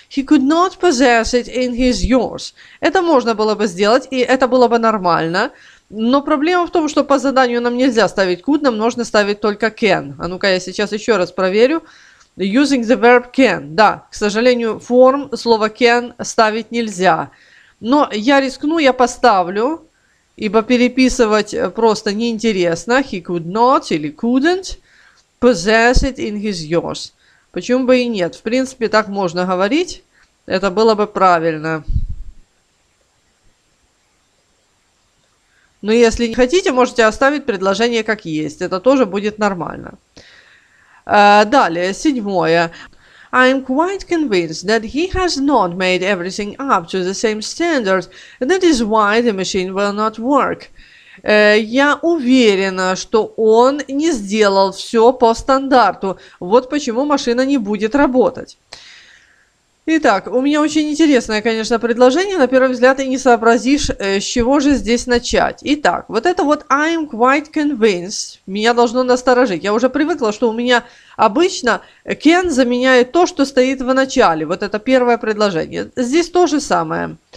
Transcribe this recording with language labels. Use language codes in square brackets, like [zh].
[en] He could not possess it in his youth. [ru] Это можно было бы сделать, и это было бы нормально. Но проблема в том, что по заданию нам нельзя ставить could, нам нужно ставить только can. А ну-ка я сейчас еще раз проверю. [en] Using the verb can. [ru] Да, к сожалению, form слова can ставить нельзя. Но я рискну, я поставлю, ибо переписывать просто неинтересно. [en] He could not [ru] или [en] couldn't possess it in his youth. [ru] Почему бы и нет? В принципе, так можно говорить. Это было бы правильно. Но если не хотите, можете оставить предложение как есть. Это тоже будет нормально. Далее, седьмое. [en] I'm quite convinced that he has not made everything up to the same standard. That is why the machine will not work. [ru] Я уверена, что он не сделал все по стандарту. Вот почему машина не будет работать. Итак, у меня очень интересное, конечно, предложение. На первый взгляд ты не сообразишь, с чего же здесь начать. Итак, вот это вот [en] I'm quite convinced [ru] меня должно насторожить. Я уже привыкла, что у меня обычно can заменяет то, что стоит в начале. Вот это первое предложение. Здесь то же самое.